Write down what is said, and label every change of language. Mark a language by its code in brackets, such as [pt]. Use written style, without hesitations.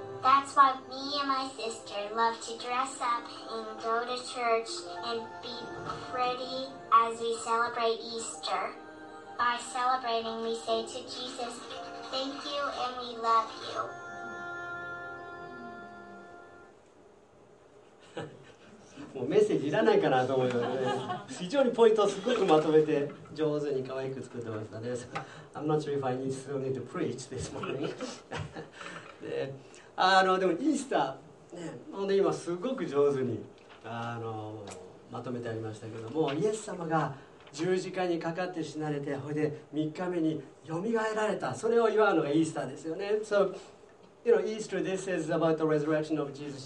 [en] That's why me and my sister love to dress up and go to church and be pretty as we celebrate Easter. By celebrating, we say to Jesus, thank you and we love you. [ja] もうメッセージいらないかなと思うよね。非常にポイントをすごくまとめて上手に可愛く作ってましたね。 [en] I'm not sure if I need still need to preach this morning. [ja] でもイースター、ね、で今すごく上手にまとめてありましたけども、イエス様が十字架にかかって死なれて、ほいで3日目によみがえられた。それを祝うのがイースターですよね。 [en] So,You know, Easter, this is about the resurrection of Jesus.